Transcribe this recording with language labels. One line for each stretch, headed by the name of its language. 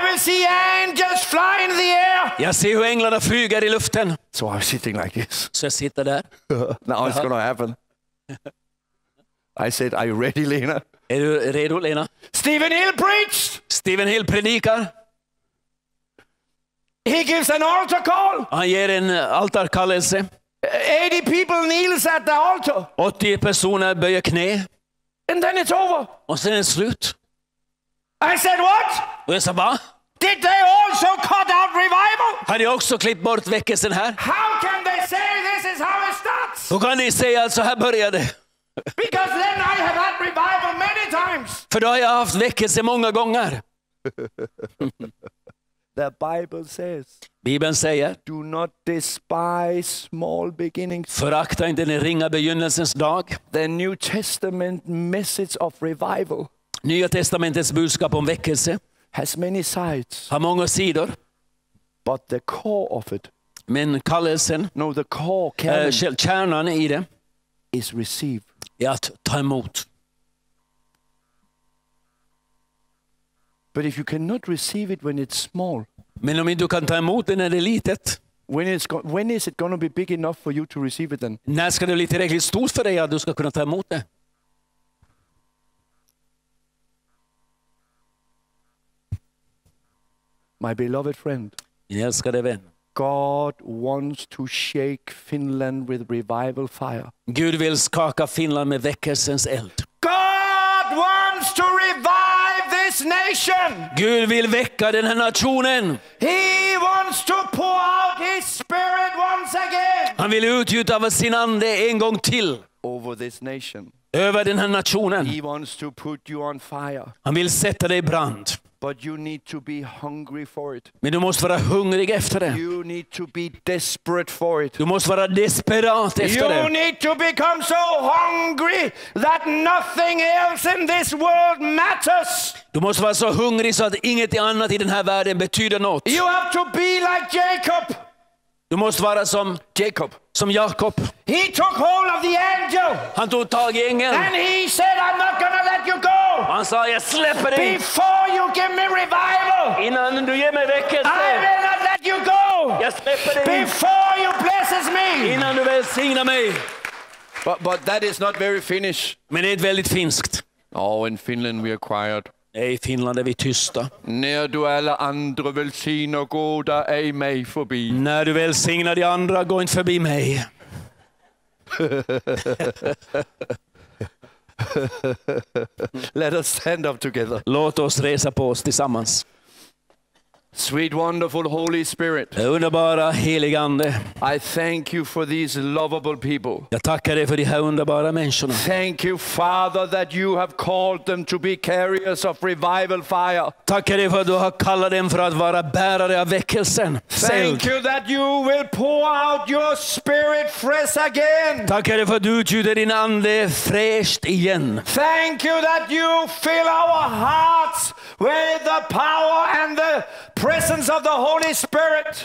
English: I will see angels fly in the air.
Swedish: Jag ser hur änglarna flyger i luften.
English: So I'm sitting like this.
Swedish: Så jag sitter där.
English: Now it's gonna happen. I said, are you ready, Lena?
Swedish: Är du redo, Lena?
English: Stephen Hill preached.
Swedish: Stephen Hill predikar.
English: He gives an altar call.
Swedish: Han ger en altarkallelse.
English: 80 people kneels at the altar.
Swedish: 80 personer böjer knä.
English: And then it's over.
Swedish: Och sen är det slut.
English: I said what?
Swedish: Och jag sa va?
English: Did they also cut out revival?
Swedish: Har de också klippt bort väckelsen här?
English: How can they say this is how it starts?
Swedish: Hur kan de säga att så här börjar det?
English: Because then I have had revival many times.
Swedish: För då har jag haft väckelse många gånger.
English: The Bible says.
Swedish: Bibeln säger.
English: Do not despise small beginnings.
Swedish: Förakta inte den ringa begynnelsens dag.
English: The New Testament message of revival.
Swedish: Nya testamentets budskap om väckelse.
English: Has many sides.
Swedish: Har många sidor.
English: But the core of it.
Swedish: Men kallelsen.
English: No, the core. Kärnan.
Swedish: Kärnan i det.
English: Is receive.
Swedish: Är att ta emot.
English: But if you cannot receive it when it's small.
Swedish: Men om du kan ta emot det när det är litet.
English: When is it going to be big enough for you to receive it then?
Swedish: När ska det bli tillräckligt stort för dig att du ska kunna ta emot det?
English: My beloved friend.
Swedish: Min älskade vän.
English: God wants to shake Finland with revival fire.
Swedish: Gud vill skaka Finland med väckelsens eld.
English: God wants to revive this nation.
Swedish: Gud vill väcka den här nationen.
English: He wants to pour out his spirit once again.
Swedish: Han vill utgjuta av sin ande en gång till.
English: Over this nation.
Swedish: Över den här nationen.
English: He wants to put you on fire.
Swedish: Han vill sätta dig i brand.
English: But you need to be hungry for it.
Swedish: Men du måste vara hungrig efter det.
English: You need to be desperate for it.
Swedish: Du måste vara desperat efter
English: you
Swedish: det.
English: You need to become so hungry that nothing else in this world matters.
Swedish: Du måste vara så hungrig så att inget annat i den här världen betyder något.
English: You have to be like Jacob.
Swedish: Du måste vara som
English: Jacob.
Swedish: Som Jakob.
English: He took hold of the angel.
Swedish: Han tog tag i ängeln.
English: And he said, I'm not gonna let you go.
Swedish: Han sa, jag släpper
English: dig. Before you give me revival.
Swedish: Innan du ger mig väckelse.
English: I will not let you go.
Swedish: Jag släpper dig.
English: Before you blesses me.
Swedish: Innan du välsignar mig.
English: But that is not very Finnish.
Swedish: Men det är väldigt finskt.
English: Oh, in Finland we are quiet.
Swedish: Nej, i Finland är vi tysta. När du alla andra välsignar, gå där ej mig förbi. När du välsignar de andra, gå inte förbi mig.
English: Let us stand up together.
Swedish: Låt oss resa på oss tillsammans.
English: Sweet, wonderful Holy Spirit.
Swedish: Underbara heliga ande.
English: I thank you for these lovable people.
Swedish: Jag tackar dig för de här underbara människorna.
English: Thank you, Father, that you have called them to be carriers of revival fire.
Swedish: Tackar dig för att du har kallat dem för att vara bärare av väckelsen.
English: Thank you that you will pour out your Spirit fresh again.
Swedish: Tackar dig för att du tjuter din ande fräscht igen.
English: Thank you that you fill our hearts with the power and the presence of the Holy Spirit.